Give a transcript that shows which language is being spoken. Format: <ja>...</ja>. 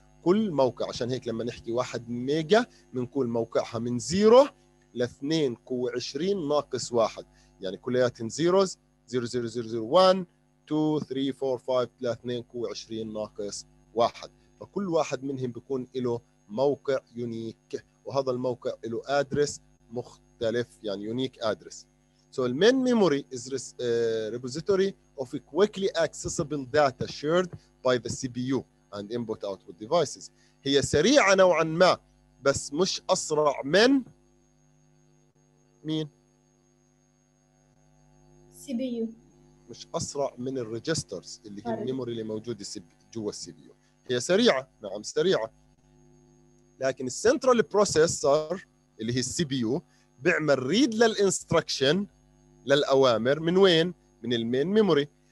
<ar>كل موقع، عشان هيك لما نحكي 1 ميجا بنقول موقعها من 0 ل 2 قوة 20 ناقص 1، يعني كلياتهم زيروز 0 0 0 0 1 2 3 4 5 3 2 قوة 20 ناقص 1. فكل واحد منهم بيكون له موقع يونيك، وهذا الموقع له ادرس مختلف، يعني يونيك ادرس.</ar> <en>So the main memory is a repository of quickly accessible data shared by the CPU and input output devices.</en> <ar>هي سريعة نوعا ما بس مش أسرع من مين؟</ar> <en>CPU.</en> <ar>مش أسرع من الريجسترز اللي هي الميموري اللي موجودة جوا CPU. هي سريعة، نعم سريعة، لكن السنترال بروسيسور اللي هي CPU بيعمل ريد للإنستركشن، للأوامر، من وين؟ من المين ميموري.</ar>